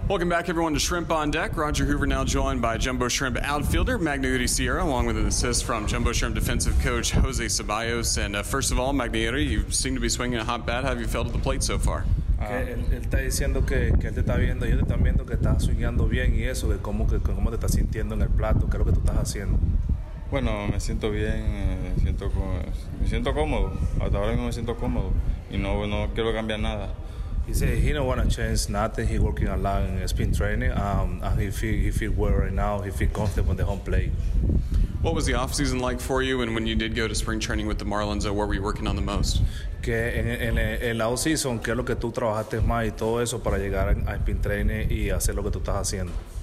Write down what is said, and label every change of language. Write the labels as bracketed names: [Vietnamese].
[English] Welcome back, everyone, to Shrimp on Deck. Roger Hoover now joined by Jumbo Shrimp outfielder Magna Uri Sierra, along with an assist from Jumbo Shrimp defensive coach Jose Ceballos. And first of all, Magna Uri, you seem to be swinging a hot bat. How have you felt at the plate so far? [Spanish] Él está diciendo que él te está viendo, ellos te están viendo que estás swingando bien y eso, de cómo te estás sintiendo en el plato, qué es lo que tú estás haciendo. Bueno, me siento bien, me siento cómodo. Hasta ahora mismo me siento cómodo y no quiero cambiar nada. [English] He said he don't want to change nothing. He's working a lot in spin training. And he feel well right now. He feel comfortable in the home plate. What was the offseason like for you? And when you did go to spring training with the Marlins, what were you working on the most? [Spanish] Que en la offseason, ¿qué es lo que tú trabajaste más y todo eso para llegar a spin training y hacer lo que tú estás haciendo?